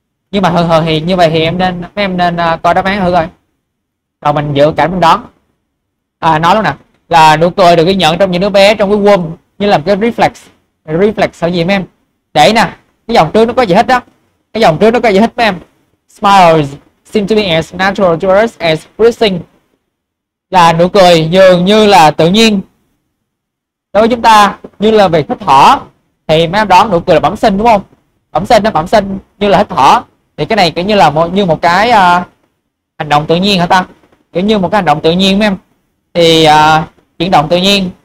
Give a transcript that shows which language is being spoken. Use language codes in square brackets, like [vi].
[vi] Nhưng mà thường thường thì như vậy thì em nên coi đáp án thử coi. Rồi mình dự cảm mình đoán. Nói luôn nè, là nụ cười được ghi nhận trong những đứa bé trong cái womb như là cái reflex. Reflex sao gì mấy em? Để nè, cái dòng trước nó có gì hết đó. Cái dòng trước nó có gì hết mấy em? [en] Smiles, seem to be as natural to us as breathing. [vi] Là nụ cười dường như là tự nhiên đối với chúng ta, như là việc hít thở. Thì mấy em đoán nụ cười là bẩm sinh đúng không? Bẩm sinh nó bẩm sinh như là hít thở. Thì cái này kiểu như là một, như một cái hành động tự nhiên hả ta? Kiểu như một cái hành động tự nhiên mấy em. Thì chuyển động tự nhiên.